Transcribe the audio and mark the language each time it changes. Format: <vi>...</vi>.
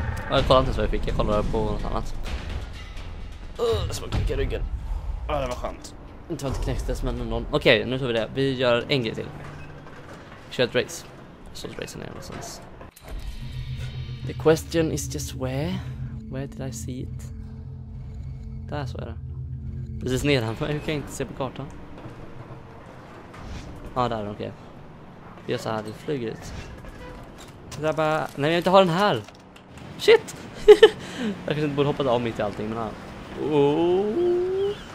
<sv>Jag kollade inte ens vad jag fick, jag kollade på något annat. Så man knäcker ryggen. Ja, det var skönt. Inte för att det knäcktes, men någon... Okej, nu tar vi det. Vi gör en grej till. Vi kör ett race. Jag slår ett race ner någonstans.</sv> <en>The question is just where? Where did I see it?</en> <sv>Där så är det. Precis nedanför, hur kan jag inte se på kartan? Ah, där, okej. Vi gör så här, det flyger ut. Det där bara... Nej, jag inte har den här! Shit! Jag kanske inte borde hoppa av mitt i allting, men här. Oh.</sv>